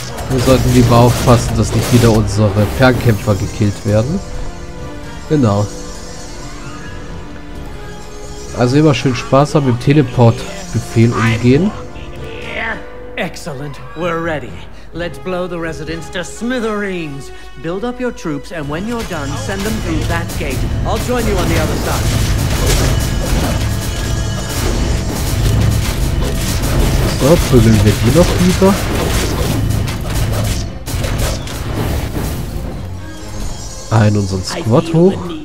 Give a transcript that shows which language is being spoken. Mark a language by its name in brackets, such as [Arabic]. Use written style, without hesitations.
[German] Wir sollten lieber aufpassen, dass nicht wieder unsere Fernkämpfer gekillt werden. Genau. Also immer schön Spaß haben mit dem Teleport-Befehl umgehen. [English] Excellent. We're ready. Let's blow the residents to smithereens. Build up your troops and when you're done, send them through that gate. I'll join you on the other side. [German] So, prügeln wir die noch lieber. Ein unseren Squad hoch.